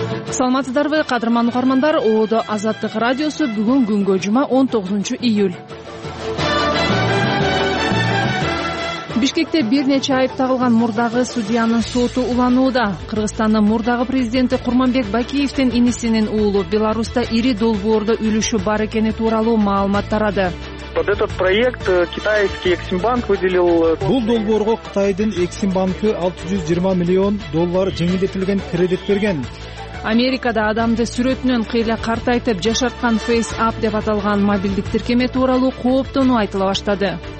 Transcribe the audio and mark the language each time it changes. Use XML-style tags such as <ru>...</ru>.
<ky>Саламатсыздарбы, кадырман угармандар? Оодо Азаттык радиосу бүгүн күнгө жума 19 июль. Бишкекте бир нече айып тагылган мурдагы судьянын соту уланууда. Кыргызстандын мурдагы президенти Курманбек Бакиевдин инисинин уулу Беларусьта ири долбоордо үлүшү бар экени тууралуу маалымат тарады.</ky> <ru>Под этот проект китайский Эксимбанк выделил.</ru> <ky>Бул долбоорго Кытайдын Эксимбанкы 620 миллион доллар жеңилдетилген кредит берген. Америкада адамды сүрөтүнөн кыйла картайтып жашарткан FaceApp деп аталган мобилдик тиркеме тууралуу кооптонуу айтыла баштады.</ky>